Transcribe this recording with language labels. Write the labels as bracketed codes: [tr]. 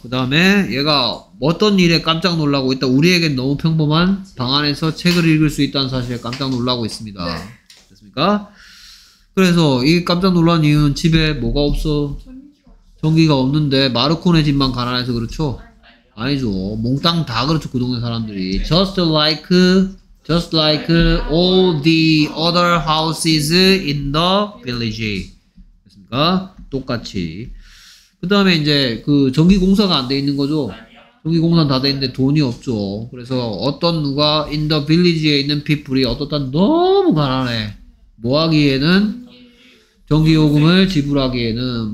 [ko] 그 다음에 얘가 어떤 일에 깜짝 놀라고 있다. 우리에겐 너무 평범한 방 안에서 책을 읽을 수 있다는 사실에 깜짝 놀라고 있습니다. 네. 됐습니까? 그래서 이 깜짝 놀란 이유는 집에 뭐가 없어? 전기가 없는데 마르코네 집만 가난해서 그렇죠? 아니죠. 몽땅 다 그렇죠. 그 동네 사람들이. 네. [en] Just like all the other houses in the village. [ko] 됐습니까? 똑같이. 그 다음에 이제 그 전기공사가 안 돼 있는 거죠? 전기공사는 다 돼 있는데 돈이 없죠. 그래서 어떤 누가 [en] in the village [ko] 에 있는 people이 어떻다 너무 가난해. 뭐 하기에는? 전기요금을 지불하기에는.